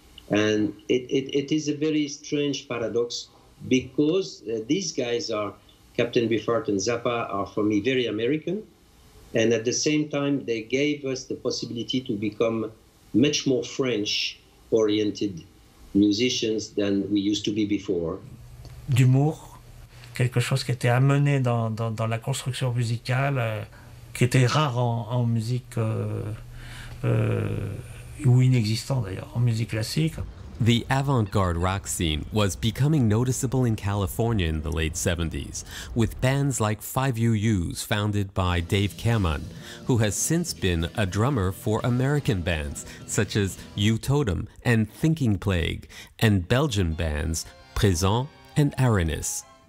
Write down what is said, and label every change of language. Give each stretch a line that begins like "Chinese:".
English: And it is a very strange paradox, because these guys are, Captain Beefheart and Zappa, are for me very American. And at the same time, they gave us the possibility to become much more French-oriented musicians than we used to be before.
French: D'humour, quelque chose qui était amené dans la construction musicale, qui était rare en musique, ou inexistant d'ailleurs, en musique classique.
English: The avant-garde rock scene was becoming noticeable in California in the late 70s, with bands like 5UU's founded by Dave Kerman, who has since been a drummer for American bands such as U-Totem and Thinking Plague, and Belgian bands Prezon and Aranis.